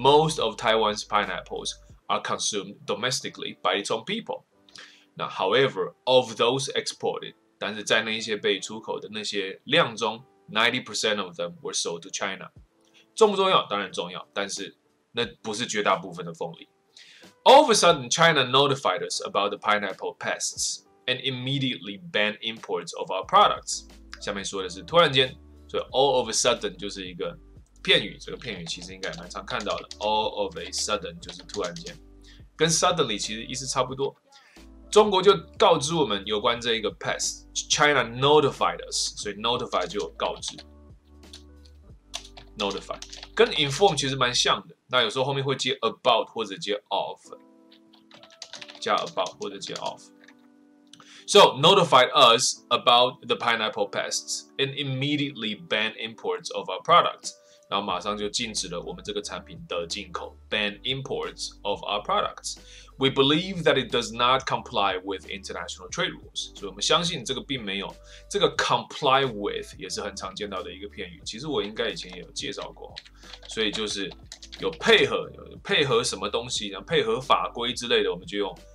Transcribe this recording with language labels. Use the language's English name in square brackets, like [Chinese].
[English] Most of Taiwan's pineapples are consumed domestically by its own people. 那 however, of those exported, [Chinese] 但是在那些被出口的那些量中 [English] ，90% of them were sold to China. [Chinese] 重不重要？当然重要，但是那不是绝大部分的凤梨。 [English] All of a sudden, China notified us about the pineapple pests and immediately banned imports of our products. [Chinese] 下面说的是突然间，所以 [English] all of a sudden [Chinese] 就是一个片语，这个片语其实应该蛮常看到的。 All of a sudden 就是突然间，跟 suddenly 其实意思差不多。中国就告知我们有关这一个 pest. [English] China notified us. [Chinese] 所以 notify 就有告知 ，notify 跟 inform 其实蛮像的。那有时候后面会接 about 或者接 of， 加 about 或者接 of。 [English] So notified us about the pineapple pests and immediately banned imports of our products. [Chinese] 然后马上就禁止了我们这个产品的进口 ， [English] banned imports of our products. We believe that it does not comply with international trade rules. [Chinese] 所以我们相信这个并没有这个 comply with 也是很常见到的一个片语。其实我应该以前也有介绍过，所以就是有配合，有配合什么东西，然后配合法规之类的，我们就用。